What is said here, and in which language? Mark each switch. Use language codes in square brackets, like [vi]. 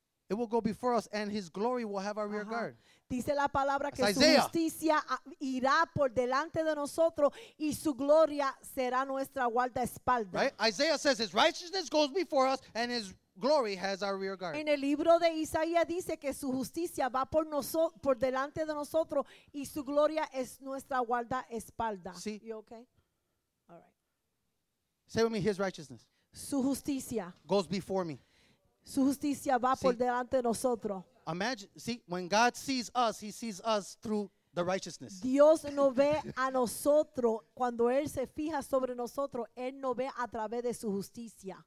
[en] It will go before us and his glory will have our rear guard. [es] Dice la palabra que su justicia irá por delante de nosotros y su gloria será nuestra guardaespaldas. [en] Right? Isaiah says his righteousness goes before us and his glory has our rear guard. [es] En el libro de Isaías dice que su justicia va por delante de nosotros y su gloria es nuestra guardaespaldas. Sí. [en] You okay? All right. Say with me, his righteousness. [es] Su justicia. [en] Goes before me. [es] Su justicia va [en] See? [es] Por delante de nosotros. [en] Imagine, see, when God sees us, he sees us through the righteousness. [es] Dios no ve a nosotros. Cuando Él se fija sobre nosotros, Él no ve a través de su justicia.